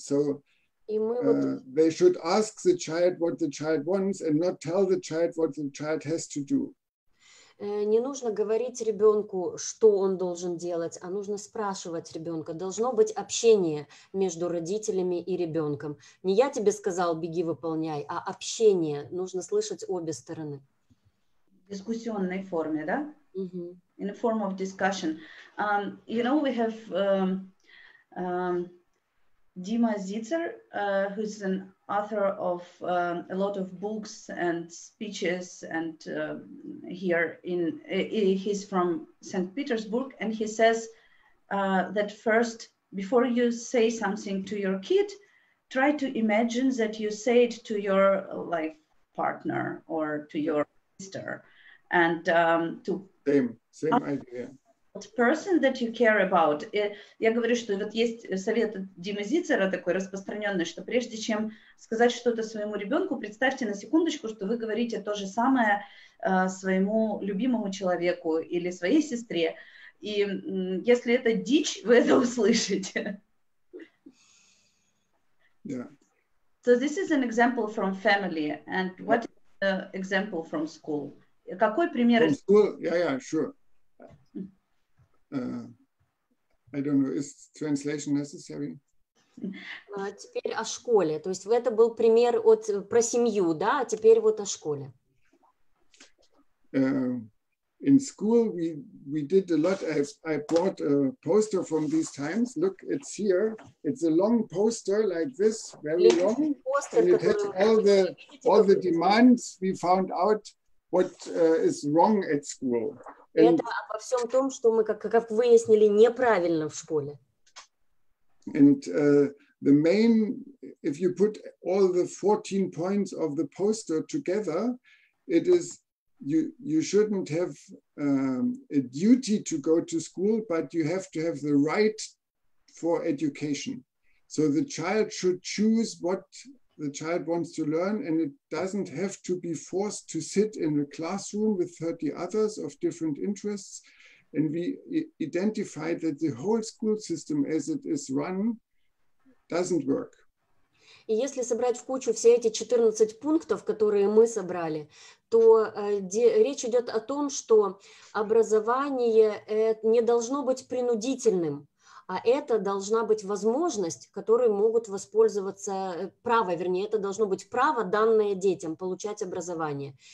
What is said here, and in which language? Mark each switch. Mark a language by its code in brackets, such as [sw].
[en] So they should ask the child what the child wants and not tell the child what the child has to do. [ru] Не нужно говорить ребенку, что он должен делать, а нужно спрашивать ребенка. Должно быть общение между родителями и ребенком. Не я тебе сказал, беги, выполняй, а общение. Нужно слышать обе стороны. В дискуссионной форме, да? Mm-hmm. [en] In a form of discussion. We have Dima Zitzer, who's an author of a lot of books and speeches, and he's from St. Petersburg, and he says that first, before you say something to your kid, try to imagine that you say it to your life partner or to your sister, and to same idea. Person that you care about. [ru] И я говорю, что вот есть совет от Димы Зицера такой распространенный, что прежде чем сказать что-то своему ребенку, представьте на секундочку, что вы говорите то же самое своему любимому человеку или своей сестре. И если это дичь, вы это услышите. [en] Yeah. So this is an example from family. And what is the example from school? [ru] Какой пример? [en] From school? Yeah, sure. I don't know, is translation necessary? [ru] Теперь о школе. То есть это был пример от про семью, да, а теперь вот о школе. [en] In school we did a lot. I brought a poster from these times. Look, it's here. It's a long poster like this, very long. And it has all the demands. We found out what is wrong at school. [ru] Это обо всем том, что мы, как выяснили, неправильно в школе. [en] And the main, if you put all the 14 points of the poster together, it is, you shouldn't have a duty to go to school, but you have to have the right for education. So the child should choose what the child wants to learn, and it doesn't have to be forced to sit in a classroom with 30 others of different interests. And we identified that the whole school system as it is run doesn't work. [ru] И если собрать в кучу все эти 14 пунктов, которые мы собрали, то речь идет о том, что образование не должно быть принудительным, а это должна быть возможность, которой могут воспользоваться право, вернее, это должно быть право, данное детям, получать образование.